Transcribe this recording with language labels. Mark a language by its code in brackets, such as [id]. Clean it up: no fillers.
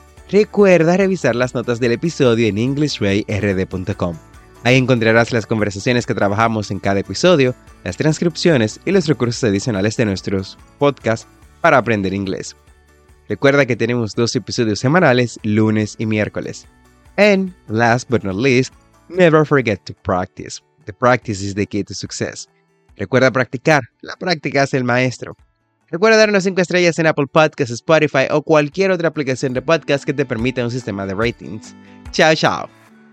[es] Recuerda revisar las notas del episodio en EnglishWayRD.com. Ahí encontrarás las conversaciones que trabajamos en cada episodio, las transcripciones y los recursos adicionales de nuestros podcasts para aprender inglés. Recuerda que tenemos dos episodios semanales, lunes y miércoles. [en] And last but not least, never forget to practice. The practice is the key to success. [es] Recuerda practicar. La práctica es el maestro. Recuerda darnos 5 estrellas en Apple Podcasts, Spotify o cualquier otra aplicación de podcast que te permita un sistema de ratings. Chao, chao.